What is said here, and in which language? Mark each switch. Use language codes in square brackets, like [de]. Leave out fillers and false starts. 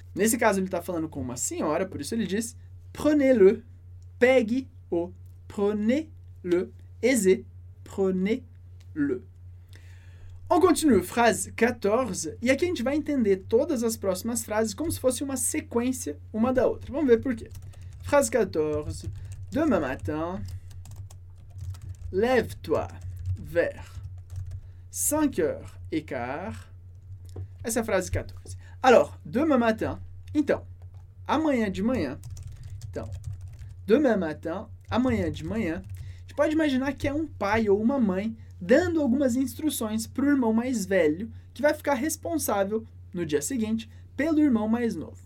[pt] Nesse caso, ele está falando com uma senhora, por isso ele diz prenez-le, pegue-o, prenez-le, ese, prenez-le. [fr] On continue, [pt] frase 14, e aqui a gente vai entender todas as próximas frases como se fosse uma sequência uma da outra. Vamos ver por quê. [fr] Frase 14, demain matin, lève-toi vers 5h15. [pt] Essa é a frase 14. Alors, [fr] demain matin, [pt] então, amanhã de manhã, então, demain matin, amanhã de manhã, a gente pode imaginar que é um pai ou uma mãe dando algumas instruções para o irmão mais velho, que vai ficar responsável, no dia seguinte, pelo irmão mais novo.